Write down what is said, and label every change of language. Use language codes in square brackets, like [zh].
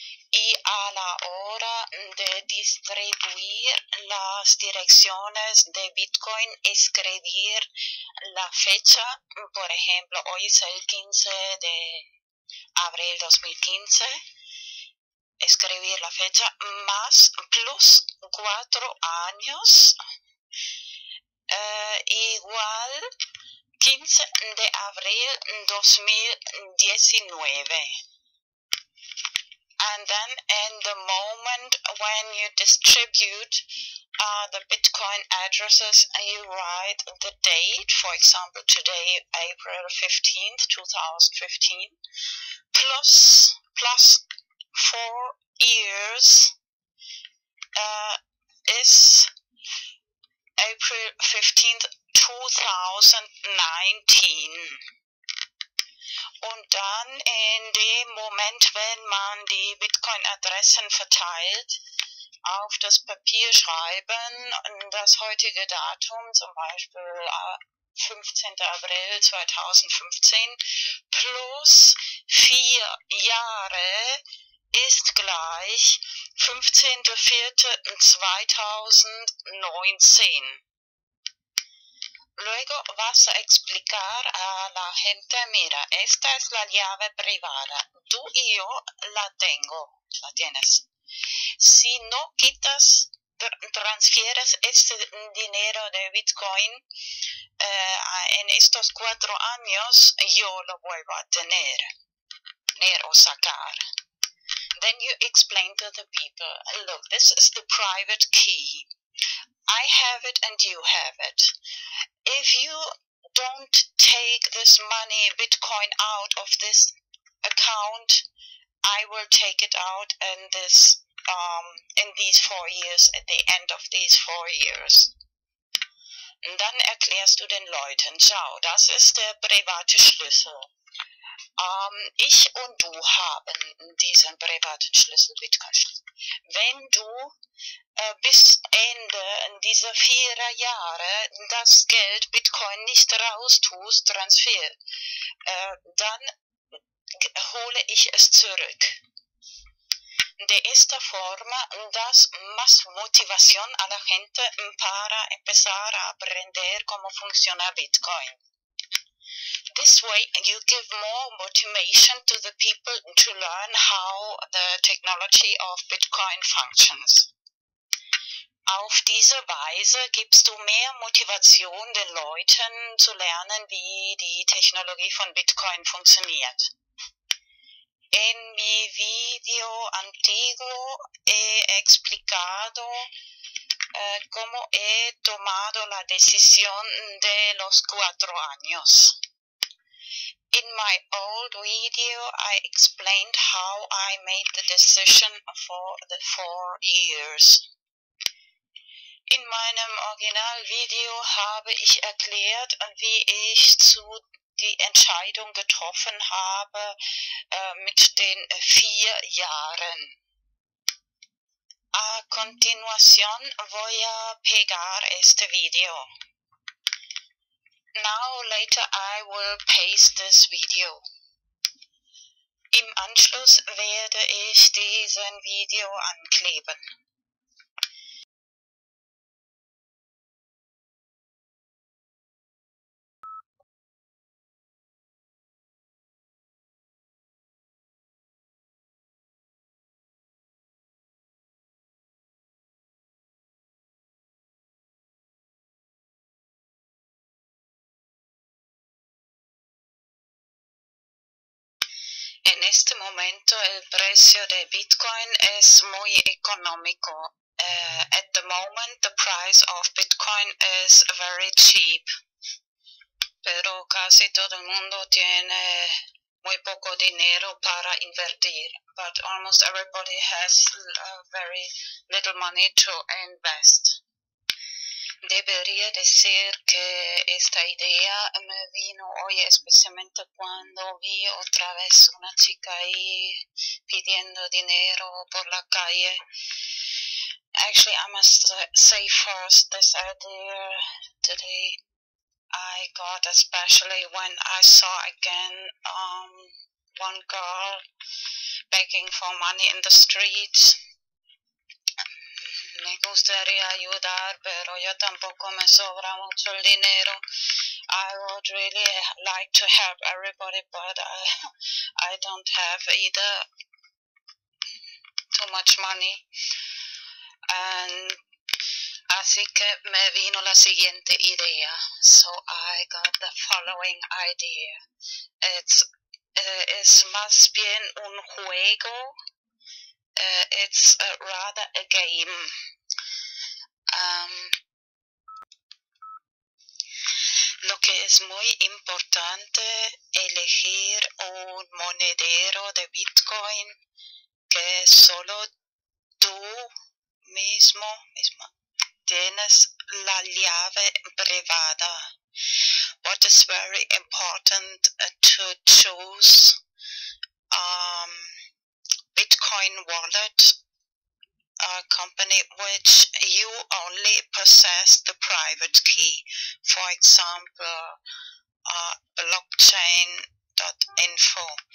[es] Y a la hora de distribuir las direcciones de Bitcoin, escribir la fecha, por ejemplo, hoy es el 15 de abril 2015, escribir la fecha más plus 4 años, igual 15 de abril 2019. [en] And then in the moment when you distribute the Bitcoin addresses, you write the date, for example, today, April 15th, 2015, plus 4 years is April 15th, 2019. [de] Und dann in dem Moment, wenn man die Bitcoin-Adressen verteilt, auf das Papier schreiben, das heutige Datum, zum Beispiel 15. April 2015, plus 4 Jahre ist gleich 15.04.2019. [es] Luego vas a explicar a la gente, mira, esta es la llave privada, tú y yo la tengo, la tienes. Si no quitas, transfieres este dinero de Bitcoin, en estos 4 años, yo lo vuelvo a tener o sacar. [en] Then you explain to the people, look, this is the private key. I have it and you have it. If you don't take this money, Bitcoin, out of this account, I will take it out in this, in these 4 years, at the end of these 4 years. [de] Und dann erklärst du den Leuten, schau, das ist der private Schlüssel. Ich und du haben diesen privaten Schlüssel, Bitcoin-Schlüssel. Wenn du bis Ende dieser 4 Jahre das Geld Bitcoin nicht raustust, Transfer, dann hole ich es zurück. [es] De esta forma das más motivación a la gente para empezar a aprender cómo funciona Bitcoin. [en] This way you give more motivation to the people to learn how the technology of Bitcoin functions. [de] Auf diese Weise gibst du mehr Motivation den Leuten zu lernen, wie die Technologie von Bitcoin funktioniert. [es] En mi video antiguo he explicado cómo he tomado la decisión de los 4 años. [en] In my old video, I explained how I made the decision for the 4 years. [de] In meinem Originalvideo habe ich erklärt, wie ich zu die Entscheidung getroffen habe mit den 4 Jahren. [es] A continuación voy a pegar este video. [en] Now later I will paste this video. [de] Im Anschluss werde ich diesen Video ankleben. [es] En este momento el precio de Bitcoin es muy económico. [en] At the moment the price of Bitcoin is very cheap. [es] Pero casi todo el mundo tiene muy poco dinero para invertir. [en] But almost everybody has very little money to invest. [es] Debería decir que esta idea me vino hoy especialmente cuando vi otra vez una chica ahí pidiendo dinero por la calle. [en] Actually, I must say first this idea today I got especially when I saw again one girl begging for money in the streets. [es] Me gustaría ayudar, pero yo tampoco me sobra mucho el dinero. [en] I would really like to help everybody, but I don't have either too much money. And [es] así que me vino la siguiente idea. [en] So I got the following idea. [es] Es más bien un juego. [en] It's rather a game. [es] Lo que es muy importante elegir un monedero de Bitcoin que solo tú mismo tienes la llave privada. [en] What is very important to choose Bitcoin wallet, a company which you only possess the private key, for example, blockchain.info.